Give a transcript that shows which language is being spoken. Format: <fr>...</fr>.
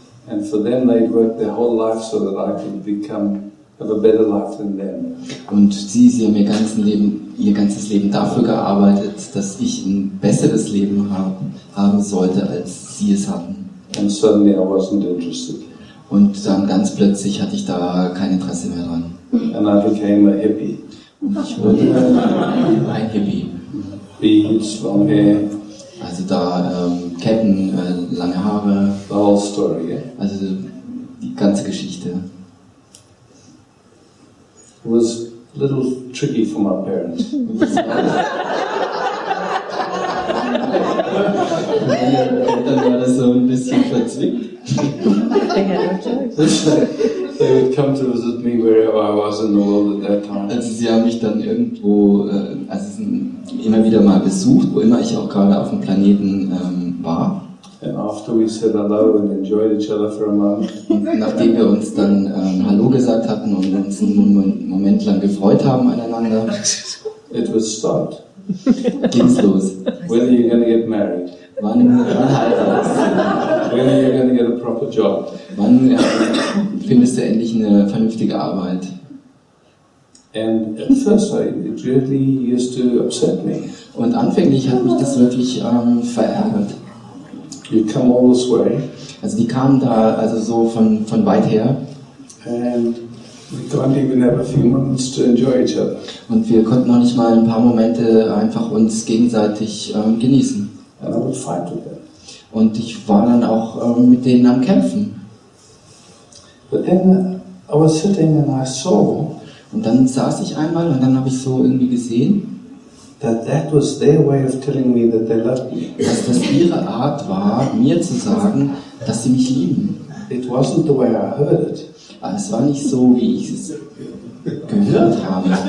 <en>And for them they worked their whole life so that I could become have a better life than them.</en> <de>Und sie haben ihr ganzes Leben dafür gearbeitet, dass ich ein besseres Leben haben sollte, als sie es hatten.</de> <en>And suddenly I wasn't interested.</en> <de>Und dann ganz plötzlich hatte ich da kein Interesse mehr dran.</de> <en>And I became a hippie.</en> <de>Und ich wurde ein Hippie.</de> <en>Beads, long hair.</en> <de>Also da Ketten, lange Haare.</de> <en>The whole story, yeah.</en> <de>Also die ganze Geschichte.</de> <en>It was a little tricky for my parents.</en> <de>Dann war das so ein bisschen verzwickt.</de> <en>They would come to visit me wherever I was in the world at that time.</en> <de>Also sie haben mich dann irgendwo, also immer wieder mal besucht, wo immer ich auch gerade auf dem Planeten war.</de> <en>And after we said hello and enjoyed each other for a moment.</en> <de>Nachdem wir uns dann Hallo gesagt hatten und uns einen Moment lang gefreut haben aneinander.</de> <en>It was start.</en> <de>Ging's los.</de> <en>When are you gonna get married? When are you going to get a proper job?</en> <de>Wann findest du endlich eine vernünftige Arbeit?</de> <en>And at first it really used to upset me.</en> <de>Und anfänglich hat mich das wirklich verärgert.</de> <en>You come all this way.</en> <de>Also die kamen da also so von weit her.</de> <en>And we can't even have a few moments to enjoy each other.</en> <de>Und wir konnten noch nicht mal ein paar Momente einfach uns gegenseitig genießen.</de> <en>And I would fight with them.</en> <de>Und ich war dann auch mit denen am Kämpfen.</de> <en>But then I was sitting and I saw.</en> <de>Und dann saß ich einmal und dann habe ich so irgendwie gesehen,</de> <en>that was their way of telling me that they loved me.</en> <de>Dass das ihre Art war, mir zu sagen, dass sie mich lieben.</de> <en>It wasn't the way I heard it.</en> <de>Es war nicht so, wie ich es gehört habe.</de>